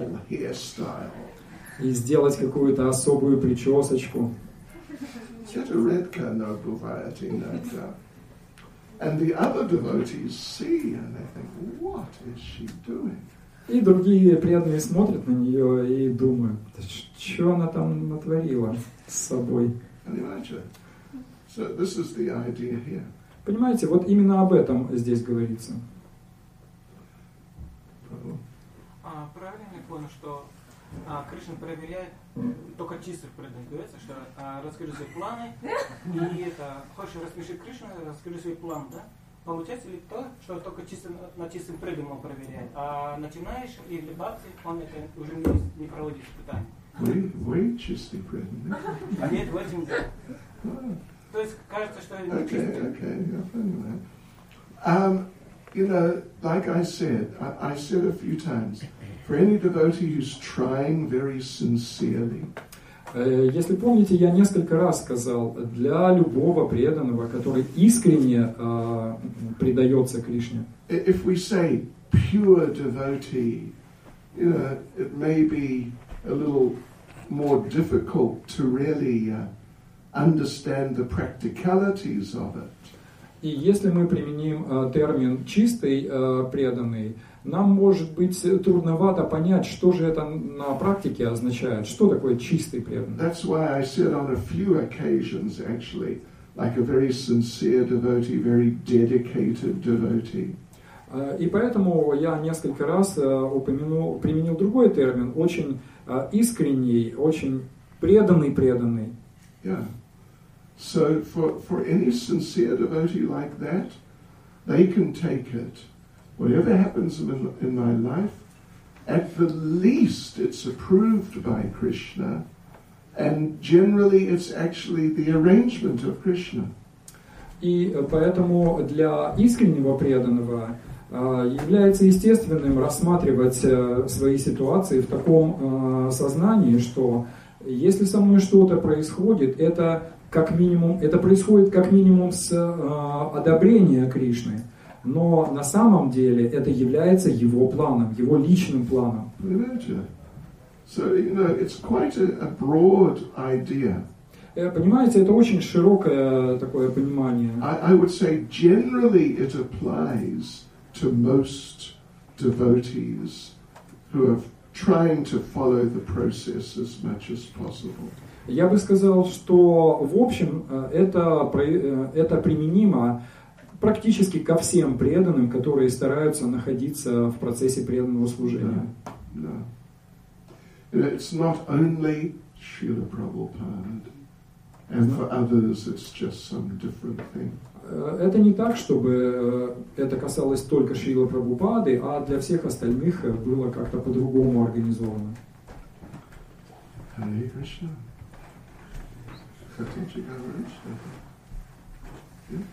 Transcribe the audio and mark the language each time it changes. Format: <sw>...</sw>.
<ru>И сделать какую-то особую причесочку. Это редко, но бывает иногда.</ru> <en>And the other devotees see, and they think, "What is she doing?"</en> <ru>И другие преданные смотрят на нее и думают, что она там натворила с собой.</ru> <en>And imagine, so this is the idea here.</en> <ru>Понимаете, вот именно об этом здесь говорится. Правильно ли понял, что Кришна проверяет только чистых преданных, говорится, что расскажи свои планы, и это, хочешь рассмешить Кришну, расскажи свой план, да? Получается ли то, что только чисто, на чистых преданных проверяет, а начинаешь и для бхакти, он это уже не проводит испытание. Вы чистый преданный? А нет, в этом да. То есть кажется, что это не чистый.</ru> <en>Okay. You know, like I said a few times, for any devotee who's trying very sincerely.</en> <ru>Если помните, я несколько раз сказал, для любого преданного, который искренне предается Кришне.</ru> <en>If we say pure devotee, you know, it may be a little more difficult to really understand the practicalities of it.</en> <ru>И если мы применим термин чистый преданный, нам может быть трудновато понять, что же это на практике означает, что такое чистый преданный.</ru> <en>That's why I said on a few occasions, actually, like a very sincere devotee, very dedicated devotee.</en> <ru>И поэтому я несколько раз упомянул, применил другой термин, очень искренний, очень преданный преданный.</ru> <en>Yeah. So for any sincere devotee like that, they can take it. Whatever happens in my life, at the least it's approved by Krishna, and generally it's actually the arrangement of Krishna.</en> <ru>И поэтому для искреннего преданного является естественным рассматривать свои ситуации в таком сознании, что если со мной что-то происходит, это как минимум это происходит как минимум с одобрения Кришны. Но на самом деле это является его планом, его личным планом.</ru> <en>So, you know, it's quite a broad idea.</en> <ru>Понимаете, это очень широкое такое понимание.</ru> <en>I would say generally it applies to most devotees who are trying to follow the process as much as possible.</en> <ru>Я бы сказал, что в общем это применимо практически ко всем преданным, которые стараются находиться в процессе преданного служения. Да.</ru> <en>It's not only Srila Prabhupada, and for others it's just some different thing.</en> <ru>Это не так, чтобы это касалось только Шрилы Прабхупады, а для всех остальных было как-то по-другому организовано. Hare Krishna. Хотите говорить что-то?</ru>